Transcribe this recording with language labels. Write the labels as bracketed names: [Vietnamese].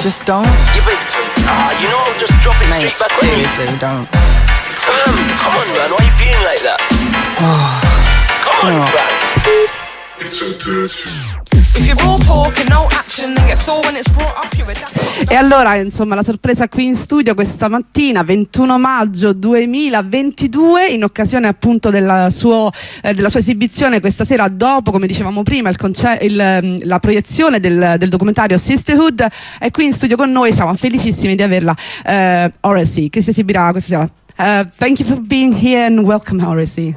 [English] Just don't. Yeah, but, you know I'll just drop it straight back seriously, on you. Seriously, don't. Fam, come on, man. Why are you being like that? Oh, come on, fam. It's a dirty. If you're all talk and no action, then get sore when it's brought up your adapt. [Italian] E allora, insomma, la sorpresa qui in studio questa mattina, 21 maggio 2022, in occasione appunto della sua esibizione questa sera, dopo, come dicevamo prima, la proiezione del documentario Sisterhood, è qui in studio con noi, siamo felicissimi di averla, Orasi, che si esibirà questa sera. [English] Thank you for being here and welcome, Orasi.